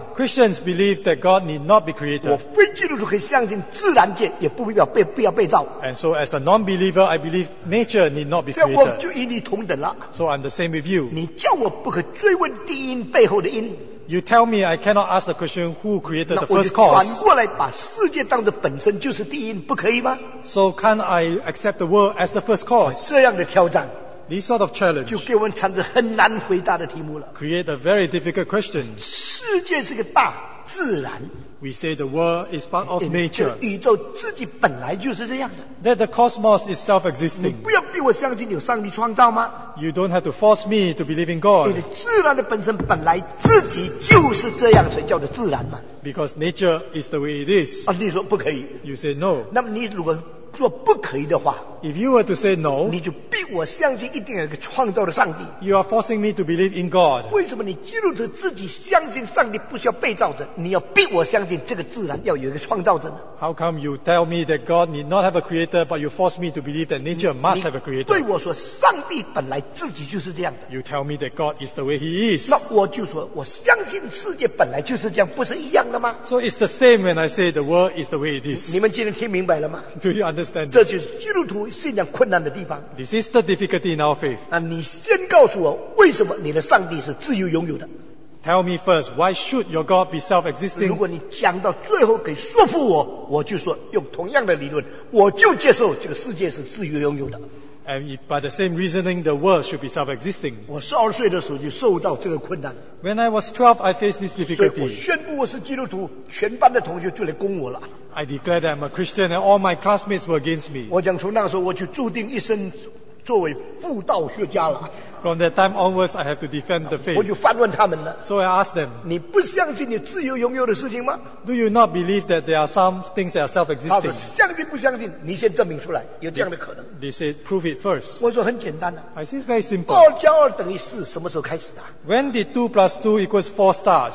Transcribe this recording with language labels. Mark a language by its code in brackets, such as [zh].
[en] Christians believe that God need not be created. [zh] 我非基督徒可以相信自然界也不必要被不要被造。 [en] And so as a non-believer, I believe nature need not be created. [zh] 所以我就与你同等了。 [en] So I'm the same with you. [zh] 你叫我不可追问第一因背后的因。 [en] You tell me I cannot ask the question who created the first cause. [zh] 那我就转过来把世界当作本身就是第一因，不可以吗？ [en] So can I accept the world as the first cause? [zh] 这样的挑战。 [en] This sort of challenge [zh] 就给我们产生很难回答的题目了。 [en] Create a very difficult question. [zh] 世界是个大自然。 [en] We say the world is part of nature. [zh] 宇宙自己本来就是这样的。 [en] That the cosmos is self-existing. [zh] 你不要逼我相信有上帝创造吗？ [en] You don't have to force me to believe in God. [zh] 你的自然的本身本来自己就是这样，所以叫做自然嘛。 [en] Because nature is the way it is. [zh] 啊，你说不可以。 [en] You say no. [zh] 那么你如果若不可以的话， [en] If you were to say no, [zh] 你就逼我相信一定有一个创造的上帝。 [en] You are forcing me to believe in God. [zh] 为什么你基督徒自己相信上帝不需要被造者，你要逼我相信这个自然要有一个创造者呢？ [en] How come you tell me that God need not have a creator, but you force me to believe that nature must have a creator? [zh] 对我说，上帝本来自己就是这样的。 [en] You tell me that God is the way He is. [zh] 那我就说，我相信世界本来就是这样，不是一样的吗？ [en] So it's the same when I say the world is the way it is. [zh] 你们今天听明白了吗？ [en] Do you understand? [zh] 这就是基督徒信仰困难的地方。 [en] This is the difficulty in our faith. [zh] 那你先告诉我，为什么你的上帝是自由拥有的？ [en] Tell me first, why should your God be self-existing? [zh] 如果你讲到最后可以说服我，我就说用同样的理论，我就接受这个世界是自由拥有的。 [en] And by the same reasoning, the world should be self-existing. [zh] 我12岁的时候就受到这个困难。 [en] When I was 12, I faced this difficulty. [zh] 所以我宣布我是基督徒，全班的同学就来攻我了。 [en] I declared that I'm a Christian and all my classmates were against me. [zh] 我讲从那时候我就注定一生作为布道学家了。 [en] From that time onwards, I have to defend the faith. [zh] 我就反问他们了。 [en] So I asked them, [zh] 你不相信你自由拥有的事情吗？ [en] Do you not believe that there are some things that are self-existing? [zh] 他说相信不相信，你先证明出来，有这样的可能。 [en] They said, prove it first. [zh] 我说很简单的。 [en] I think it's very simple. [zh] 2加2等于4，什么时候开始的？ [en] When did 2 plus 2 equals 4 stars?